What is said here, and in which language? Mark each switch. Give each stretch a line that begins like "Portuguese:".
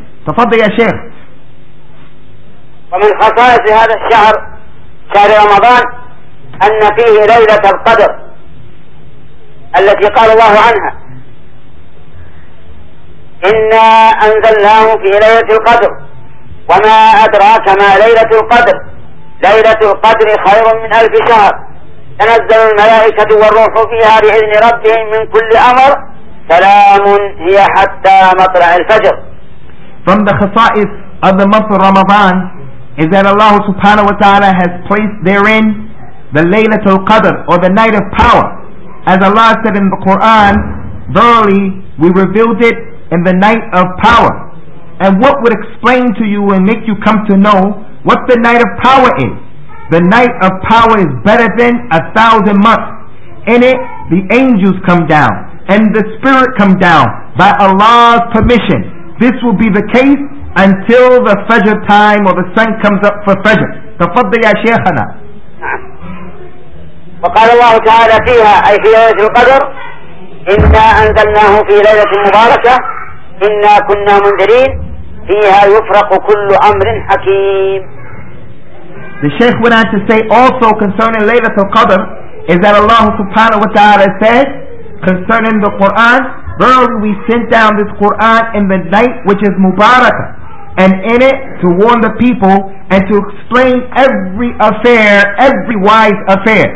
Arabic: Tafaddal ya shaykh. ومن خصائص هذا الشهر شهر رمضان أن فيه ليلة القدر التي قال الله عنها إنا أنزلناه في ليلة القدر وما أدراك ما ليلة القدر ليلة القدر خير من ألف شهر تنزل الملائكة والروح فيها بإذن ربهم من كل أمر سلام هي حتى مطلع الفجر.
English: From the khasa'is of the month of Ramadan is that Allah subhanahu wa ta'ala has placed therein the Laylatul Qadr, or the night of power. As Allah said in the Quran, verily we revealed it in the night of power. And what would explain to you and make you come to know what the night of power is? The night of power is better than 1,000 months. In it, the angels come down and the spirit come down by Allah's permission. This will be the case until the Fajr time, or the sun comes up for Fajr.
Arabic: Tafaddal ya shaykhana. وقال الله تعالى فيها أي في ليلة القدر إنا أنزلناه في ليلة مباركة إنا كنا منذرين فيها يفرق كل أمر حكيم.
English: The Shaykh went on to say also concerning Laylatul Qadr is that Allah subhanahu wa ta'ala said concerning the Quran, verily we sent down this Quran in the night which is Mubarakah, and in it to warn the people and to explain every affair, every wise affair.